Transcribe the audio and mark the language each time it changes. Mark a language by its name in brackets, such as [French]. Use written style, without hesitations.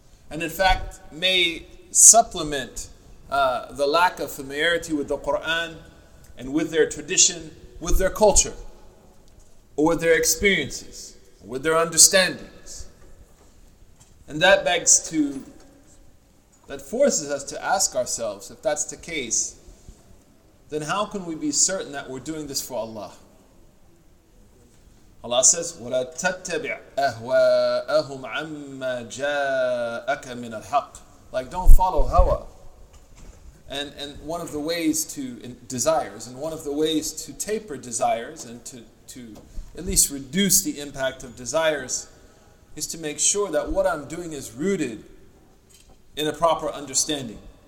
[English] And in fact, may supplement the lack of familiarity with the Quran and with their tradition, with their culture, or with their experiences, or with their understandings. And that begs to, that forces us to ask ourselves, if that's the case, then how can we be certain that we're doing this for Allah? [Arabic] Allah says, وَلَا تَتَّبِعْ أَهْوَاءَهُمْ عَمَّا جَاءَكَ مِنَ الْحَقِّ. [English] Like, don't follow hawa. And one of the ways to, desires, and one of the ways to taper desires, and to at least reduce the impact of desires, is to make sure that what I'm doing is rooted in a proper understanding.